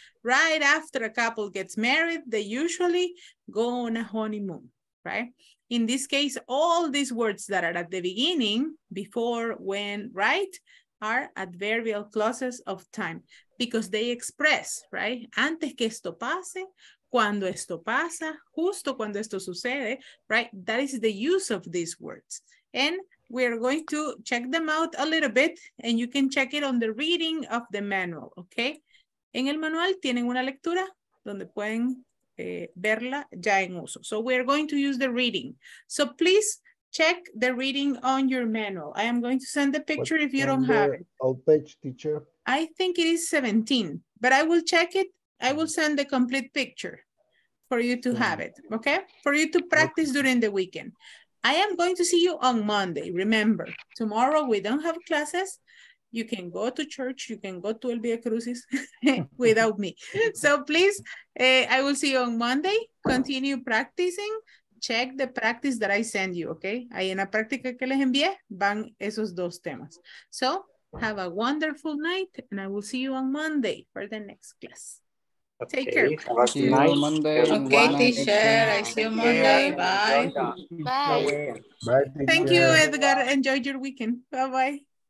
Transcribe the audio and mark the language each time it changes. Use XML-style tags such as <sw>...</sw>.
<en>Right after a couple gets married, they usually go on a honeymoon, right? In this case, all these words that are at the beginning, before, when, right, are adverbial clauses of time. Because they express, right?</en> <es>Antes que esto pase, cuando esto pasa, justo cuando esto sucede, right?</es> <en>That is the use of these words. And we are going to check them out a little bit, and you can check it on the reading of the manual, okay?</en> <es>En el manual tienen una lectura donde pueden verla ya en uso.</es> <en>So we are going to use the reading. So please check the reading on your manual. I am going to send the picture if you don't have it. Old page, teacher? I think it is 17, but I will check it. I will send the complete picture for you to have it, okay? For you to practice during the weekend. I am going to see you on Monday. Remember, tomorrow we don't have classes. You can go to church, you can go to El Via Crucis without me. So please, I will see you on Monday. Continue practicing. Check the practice that I send you, okay?</en> <es>Ahí en la práctica que les envié van esos dos temas.</es> <en>So have a wonderful night, and I will see you on Monday for the next class. Okay, take care. Nice. Okay, teacher. Nice. I see you Monday. Bye. Bye. Thank you, Edgar. Enjoy your weekend. Bye-bye.</en>